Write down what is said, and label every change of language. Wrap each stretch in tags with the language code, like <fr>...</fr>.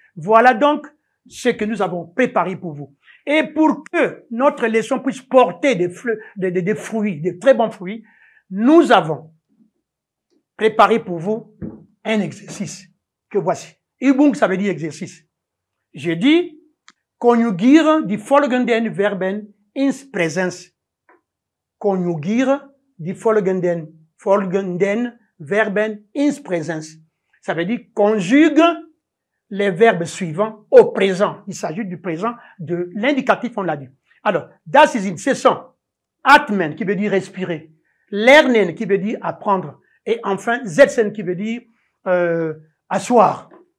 <fr>Voilà donc ce que nous avons préparé pour vous. Et pour que notre leçon puisse porter des fruits, des très bons fruits, nous avons préparé pour vous un exercice que voici. Übung, ça veut dire exercice. J'ai dit</fr> <de>conjuguieren die folgenden Verben ins Präsens. Conjuguieren die folgenden Verben ins Präsens.</de> <fr>Ça veut dire conjugue les verbes suivants au présent. Il s'agit du présent de l'indicatif, on l'a dit. Alors, das ist in, ce sont atmen qui veut dire respirer, lernen qui veut dire apprendre, et enfin setzen qui veut dire asseoir.</fr>